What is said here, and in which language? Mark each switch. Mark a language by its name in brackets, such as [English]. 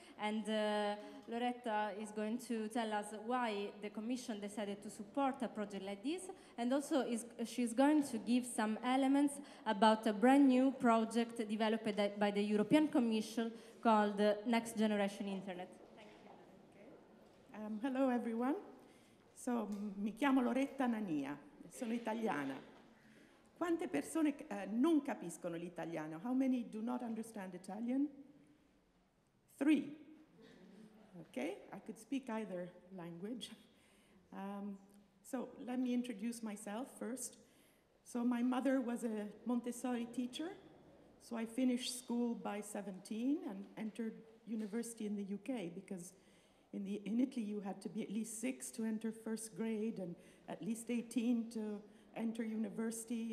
[English] And Loretta is going to tell us why the Commission decided to support a project like this. And also, she's going to give some elements about a brand new project developed by the European Commission called Next Generation Internet. Thank you. Hello, everyone. [Italian] So, mi chiamo Loretta Nania. Sono italiana. Quante persone non capiscono l'italiano? [English] How many do not understand Italian? 3. Okay, I could speak either language. So let me introduce myself first. So my mother was a Montessori teacher. So I finished school by 17 and entered university in the UK because in Italy you had to be at least 6 to enter first grade and at least 18 to enter university.